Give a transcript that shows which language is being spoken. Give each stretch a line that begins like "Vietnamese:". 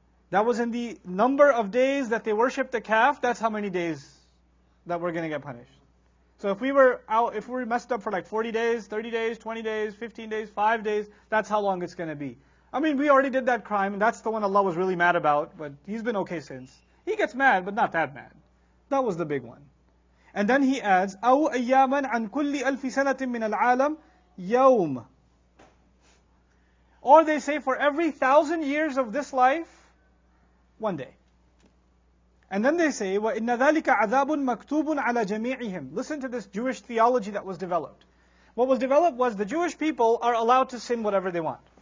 English: That was in the number of days that they worshipped the calf. That's how many days that we're going to get punished. So if we were out, if we were messed up for like 40 days, 30 days, 20 days, 15 days, 5 days, that's how long it's going to be. I mean, we already did that crime, and that's the one Allah was really mad about, but he's been okay since. He gets mad, but not that mad. That was the big one. And then he adds,
Arabic: أَوْ أَيَّامًا عَنْ كُلِّ أَلْفِ سَنَةٍ مِّنَ الْعَالَمِ يَوْمَ.
English: Or they say, for every 1,000 years of this life, one day. And then they say,
Arabic: وَإِنَّ ذَلِكَ عَذَابٌ مَكْتُوبٌ عَلَى جَمِيعِهِمْ.
English: Listen to this Jewish theology that was developed. What was developed was the Jewish people are allowed to sin whatever they want.